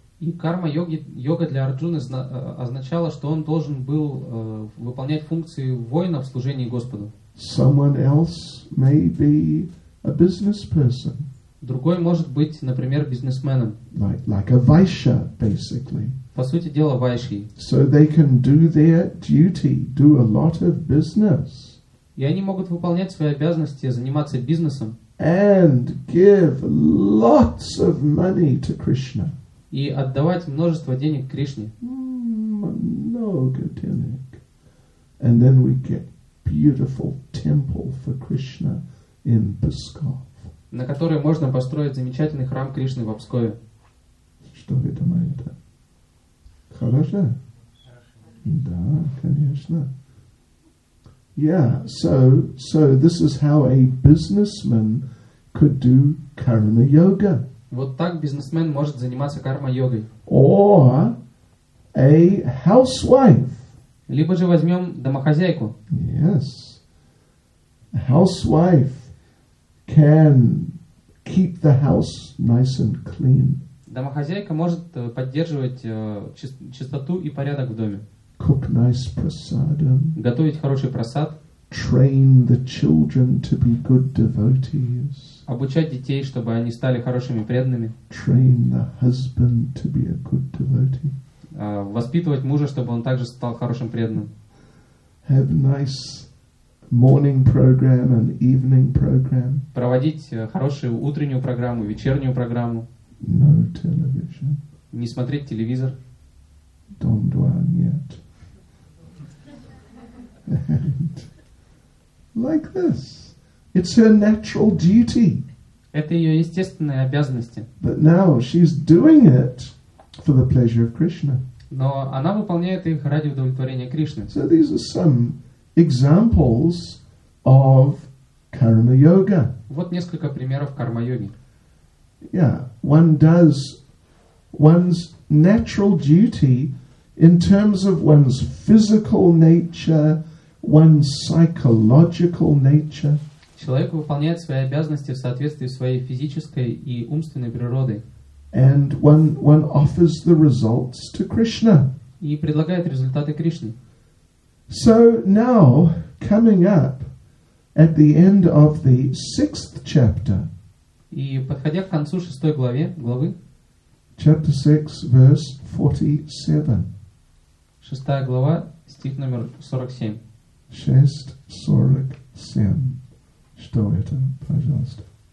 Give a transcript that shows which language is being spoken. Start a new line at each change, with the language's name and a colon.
Russian: И карма йога для Арджуны означала, что он должен был выполнять функции воина в служении Господу.
English: Someone else may be a business person.
Russian: Другой может быть, например, бизнесменом.
English: Like a vaishya, basically.
Russian: По сути дела, вайши.
English: So they can do their duty, do a lot of business.
Russian: И они могут выполнять свои обязанности, заниматься бизнесом.
English: And give lots of money to Krishna.
Russian: И отдавать множество денег Кришне. Много денег.
English: And then we get beautiful temple for Krishna in Pskov.
Russian: На которой можно построить замечательный храм Кришны в Пскове. Что вы думаете? Хорошо? Да, конечно.
English: Yeah, so this is how a businessman could do karma yoga.
Russian: Вот так бизнесмен может заниматься карма-йогой.
English: Or a housewife.
Russian: Либо же возьмем домохозяйку.
English: Yes. A housewife can keep the house nice and clean.
Russian: Домохозяйка может поддерживать чистоту и порядок в доме.
English: Cook nice prasadam.
Russian: Готовить хороший просад.
English: Train the children to be good devotees.
Russian: Обучать детей, чтобы они стали хорошими преданными.
English: Train the husband to be a good devotee.
Russian: Воспитывать мужа, чтобы он также стал хорошим преданным.
English: Have nice morning program and evening program.
Russian: Проводить хорошую утреннюю программу, вечернюю программу.
English: No television.
Russian: Не смотреть телевизор.
English: Don't want yet. And like this. It's her natural duty.
Russian: Это ее естественные обязанности.
English: But now she's doing it for the pleasure of Krishna.
Russian: Но она выполняет их ради удовлетворения Кришны.
English: So these are some examples of karma yoga.
Russian: Вот несколько примеров карма-йоги.
English: Yeah, one does one's natural duty in terms of one's physical nature, one's psychological nature.
Russian: Человек выполняет свои обязанности в соответствии с своей физической и умственной природой.
English: And one offers the results to Krishna.
Russian: И предлагает результаты Кришне.
English: So now, coming up at the end of the sixth chapter.
Russian: И подходя к концу шестой главе, главы.
English: Chapter 6, verse 47.
Russian: Шестая глава, стих номер 47. Шесть сорок семь. Что это, пожалуйста?